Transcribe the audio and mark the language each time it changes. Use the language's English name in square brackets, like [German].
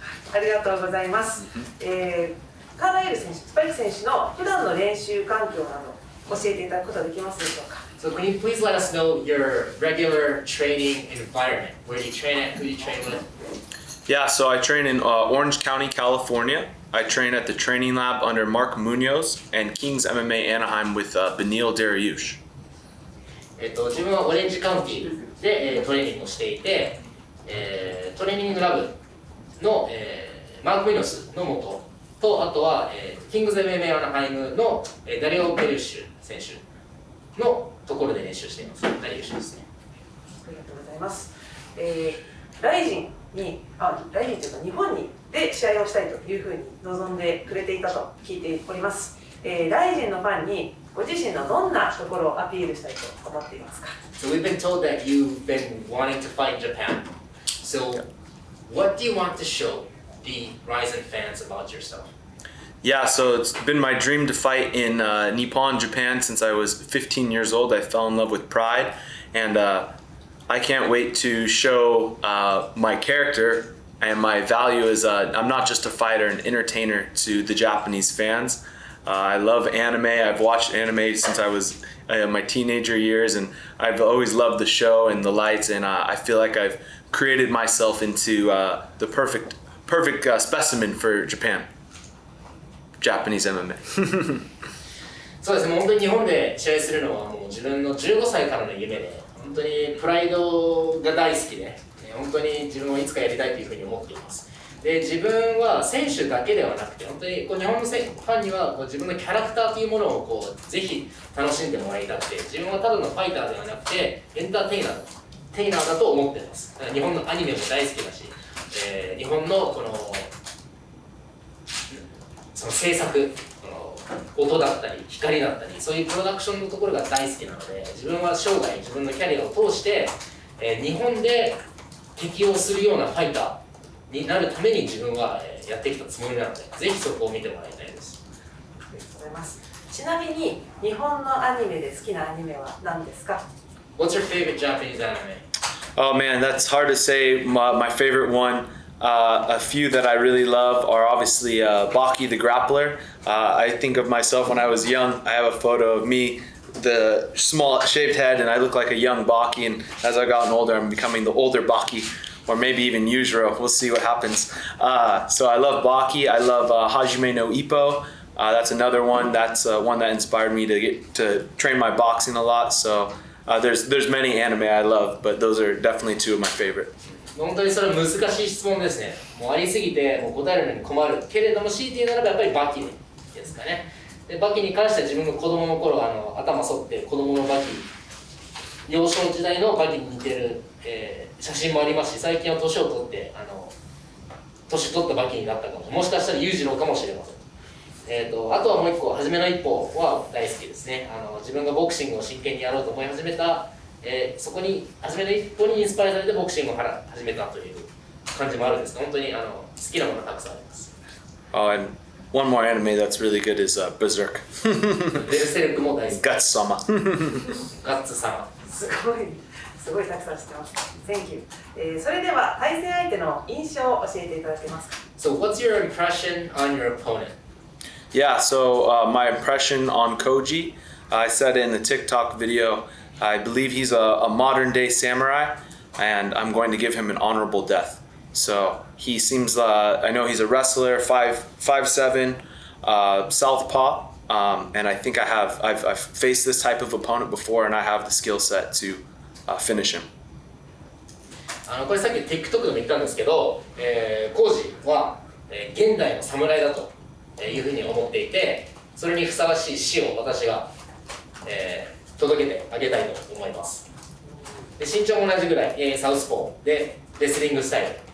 [Japanese] ありがとうございます。カーライル選手、スパイク選手の普段の練習環境など教えていただくことはできますでしょうか？ [English] So can you please let us know your regular training environment? Where do you train at? Who do you train with? Yeah, so I train in Orange County, California. I train at the training lab under Mark Munoz and Kings MMA Anaheim with Benil Dariush. [Japanese] 自分はオレンジカウンティで、トレーニングをしていて、トレーニングラブの、マーク・ムニョスのもと、と、あとは、Kings MMA Anaheim の、ダリオ・ベリュッシュ選手のところで練習しています。ダリュッシュですね。ありがとうございます。ライジンに、ライジンというか日本にで試合をしたいというふうに望んでくれていたと聞いております。ライジンのファンにご自身のどんなところをアピールしたいと思っていますか？ [English] So we've been told that you've been wanting to fight Japan. So what do you want to show the Rizin fans about yourself? Yeah, so it's been my dream to fight in Nippon, Japan since I was 15 years old. I fell in love with pride and I can't wait to show my character and my value as I'm not just a fighter, an entertainer to the Japanese fans. I love anime. I've watched anime since I was my teenager years, and I've always loved the show and the lights, and I feel like I've created myself into the perfect specimen for Japan. Japanese MMA. [Japanese] そうですね、本当に日本で試合するのはもう自分の15歳からの夢で、本当にプライドが大好きで、本当に自分もいつかやりたいというふうに思っています。で、自分は選手だけではなくて、本当にこう日本のファンにはこう自分のキャラクターというものをこうぜひ楽しんでもらいたくて、自分はただのファイターではなくて、エンターテイナー、テイナーだと思っています。だから日本のアニメも大好きだし、日本のこの、その制作、音だったり光だったりそういうプロダクションのところが大好きなので、自分は生涯自分のキャリアを通して、日本で適応するようなファイターになるために自分は、やってきたつもりなので、ぜひそこを見てもらいたいです。ありがとうございます。ちなみに日本のアニメで好きなアニメは何ですか？ [English] What's your favorite Japanese anime? Oh man, that's hard to say my favorite oneA few that I really love are obviously Baki the Grappler. I think of myself when I was young. I have a photo of me, the small shaved head, and I look like a young Baki. And as I've gotten older, I'm becoming the older Baki, or maybe even Yujiro. We'll see what happens. So I love Baki. I love Hajime no Ippo. That's another one. That's one that inspired me to train my boxing a lot. So there's many anime I love, but those are definitely two of my favorite. [Japanese] 本当にそれは難しい質問ですね。もうありすぎてもう答えるのに困るけれども、 CT ならばやっぱりバキですかね。でバキに関しては自分の子供の頃頭剃って子供のバキ、幼少時代のバキに似てる、写真もありますし、最近は年を取って年取ったバキになったかもしれない。もしかしたら裕次郎かもしれません。あとはもう一個、初めの一歩は大好きですね。自分がボクシングを真剣にやろうと思い始めた、そこに初めて一歩にインスパイアされてボクシングを始めたという感じもあるんですが、本当に好きなものがたくさんあります。 [English] Oh, and one more anime that's really good is Berserk. [Japanese] ベルセルクも大好きです。ガッツ様。ガッツ様。すごいたくさん知ってます。 [English] Thank you. [Japanese] それでは対戦相手の印象を教えていただけますか？ [English] So what's your impression on your opponent? Yeah, so my impression on Koji, I said in the TikTok video,I believe he's a modern day samurai, and I'm going to give him an honorable death. So he seems, I know he's a wrestler, 5'7", southpaw, and I think I've faced this type of opponent before, and I have the skill set to finish him. [Japanese] これさっき TikTok でも言ったんですけど、コージは、現代の侍だというふうに思っていて、それにふさわしい死を私が、届けてあげたいと思います。で、身長も同じぐらい、サウスポーでレスリングスタイル、